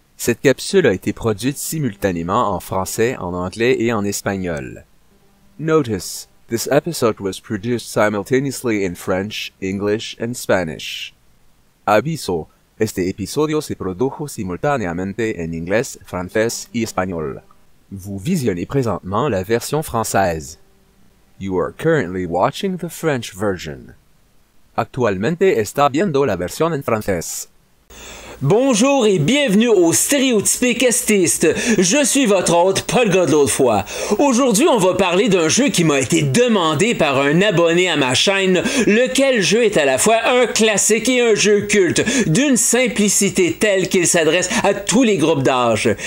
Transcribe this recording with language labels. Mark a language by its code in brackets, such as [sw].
[fr] Cette capsule a été produite simultanément en français, en anglais et en espagnol. [en] Notice. This episode was produced simultaneously in French, English and Spanish. [es] Aviso. Este episodio se produjo simultáneamente en inglés, francés y español. [fr] Vous visionnez présentement la version française. [en] You are currently watching the French version. [es] Actualmente está viendo la versión en francés. [fr] Bonjour et bienvenue au Stéréotypé Castiste. Je suis votre hôte, Paul Godelaudefoy. Aujourd'hui, on va parler d'un jeu qui m'a été demandé par un abonné à ma chaîne, lequel jeu est à la fois un classique et un jeu culte, d'une simplicité telle qu'il s'adresse à tous les groupes d'âge.